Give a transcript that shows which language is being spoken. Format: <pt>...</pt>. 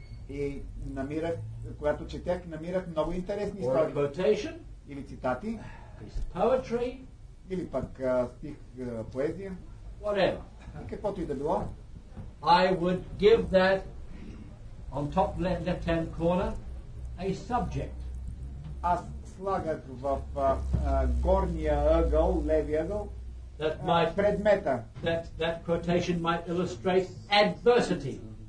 <bg>и намирах, когато четях, намирах много интересни истории.</bg> <en>Or a quotation,</en> <bg>или цитати,</bg> <en>piece of poetry,</en> <bg>или пък стих, поезия,</bg> <en>whatever.</en> <bg>И каквото и да било,</bg> <en>I would give that on top left hand corner a subject.</en> <bg>Аз слагах в горния ъгъл, леви ъгъл, предмета.</bg> <en>That quotation might illustrate adversity.</en>